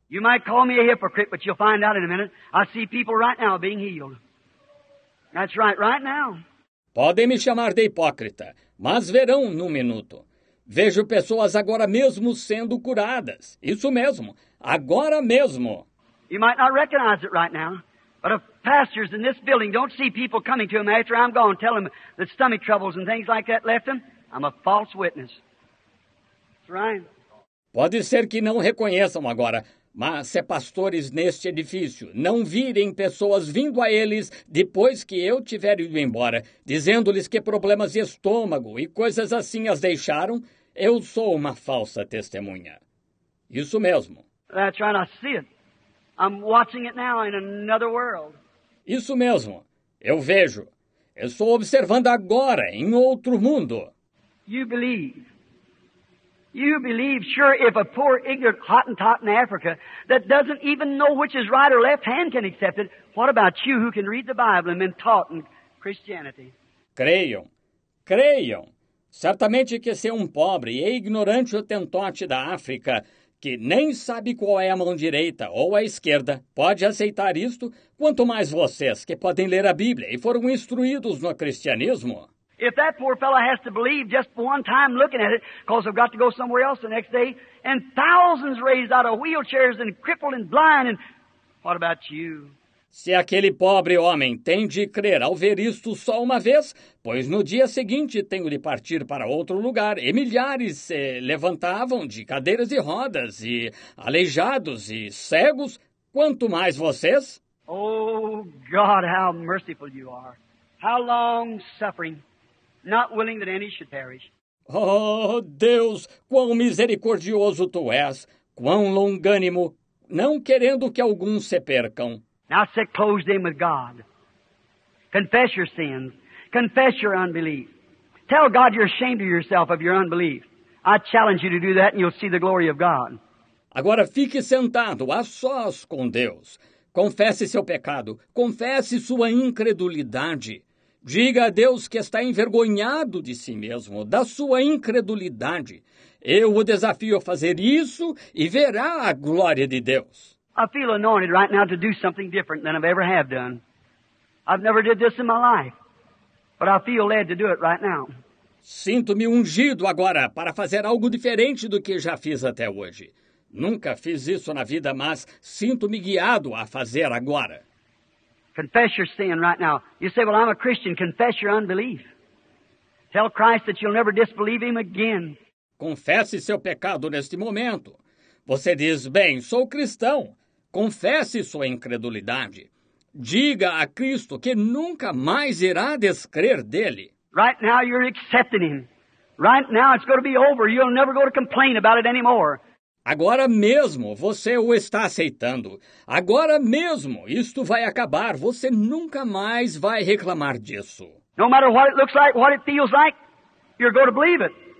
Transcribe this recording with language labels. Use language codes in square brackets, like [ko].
[en] You might call me a hypocrite, but you'll find out in a minute. I see people right now being healed. That's right, right now. [pt] Podem me chamar de hipócrita, mas verão num minuto. Vejo pessoas agora mesmo sendo curadas. Isso mesmo, agora mesmo. [en] You might not recognize it right now, but if pastors in this building don't see people coming to them after I'm gone, tell them that stomach troubles and things like that left them, I'm a false witness. That's right. [pt] Pode ser que não reconheçam agora, Mas se pastores neste edifício não virem pessoas vindo a eles depois que eu tiver ido embora, dizendo-lhes que problemas de estômago e coisas assim as deixaram, eu sou uma falsa testemunha. Isso mesmo. [en] That's right, I see it. I'm watching it now in another world. [pt] Isso mesmo. Eu vejo. Eu estou observando agora em outro mundo. [en] You believe. You believe, sure, if a poor, ignorant Hottentot in Africa that doesn't even know which is right or left hand can accept it, what about you who can read the Bible and been taught in Christianity? [pt] Creiam, creiam. Certamente que se um pobre e ignorante Hottentote da África, que nem sabe qual é a mão direita ou a esquerda, pode aceitar isto, quanto mais vocês que podem ler a Bíblia e foram instruídos no cristianismo. [en] If that poor fellow has to believe just one time looking at it, because I've got to go somewhere else the next day, and thousands raised out of wheelchairs and crippled and blind, and what about you? [pt] Se aquele pobre homem tem de crer ao ver isto só uma vez, pois no dia seguinte tenho de partir para outro lugar, e milhares se levantavam de cadeiras de rodas, e aleijados e cegos, quanto mais vocês? [en] Oh, God, how merciful you are. How long suffering. Not willing that any should perish. [pt] Oh, Deus, quão misericordioso tu és, quão longânimo, não querendo que alguns se percam. [en] Now set close in with God. Confess your sins. Confess your unbelief. Tell God you're ashamed of yourself of your unbelief. I challenge you to do that and you'll see the glory of God. [pt] Agora fique sentado, a sós com Deus. Confesse seu pecado. Confesse sua incredulidade. Diga a Deus que está envergonhado de si mesmo, da sua incredulidade. Eu o desafio a fazer isso e verá a glória de Deus. [en] I feel anointed right now to do something different than I've ever have done. I've never did this in my life, but I feel led to do it right now. [pt] Sinto-me ungido agora para fazer algo diferente do que já fiz até hoje. Nunca fiz isso na vida, mas sinto-me guiado a fazer agora. [en] Confess your sin right now. You say, well, I'm a Christian. Confess your unbelief. Tell Christ that you'll never disbelieve him again. [pt] Confesse seu pecado neste momento. Você diz, bem, sou cristão. Confesse sua incredulidade. Diga a Cristo que nunca mais irá descrer dele. [en] Right now you're accepting him. Right now it's going to be over. You'll never go to complain about it anymore. [pt] Agora mesmo você o está aceitando. Agora mesmo isto vai acabar. Você nunca mais vai reclamar disso. [en] No matter what it looks like, what it feels like, you're going to believe it.